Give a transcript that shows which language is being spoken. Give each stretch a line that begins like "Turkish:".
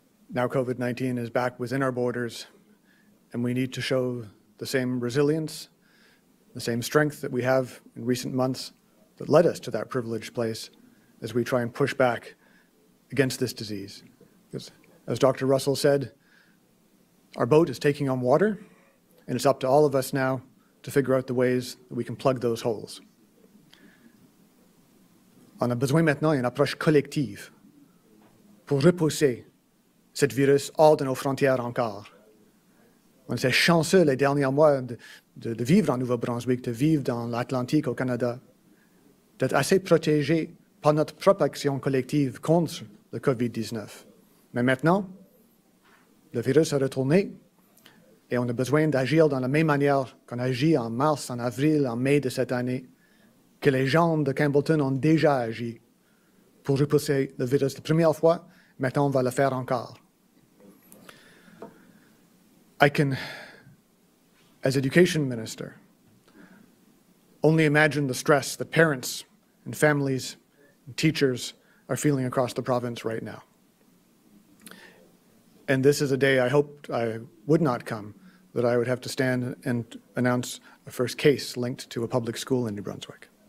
English: Now COVID-19 is back within our borders, and we need to show the same resilience, the same strength that we have in recent months that led us to that privileged place as we try and push back against this disease. Because, as Dr. Russell said, our boat is taking on water, and it's up to all of us now to figure out the ways that we can plug those holes.
French: On a besoin maintenant une approche collective pour repousser cette virus hors de nos frontières encore. On s'est chanceux les derniers mois de vivre en Nouveau-Brunswick, de vivre dans l'Atlantique au Canada, d'être assez protégé par notre propre action collective contre le COVID-19. Mais maintenant, le virus a retourné et on a besoin d'agir dans la même manière qu'on agit en mars, en avril, en mai de cette année, que les gens de Campbellton ont déjà agi pour repousser le virus la première fois. Maintenant, on va le faire encore.
English: I can, as education minister, only imagine the stress that parents and families and teachers are feeling across the province right now. And this is a day I hoped I would not come, that I would have to stand and announce a first case linked to a public school in New Brunswick.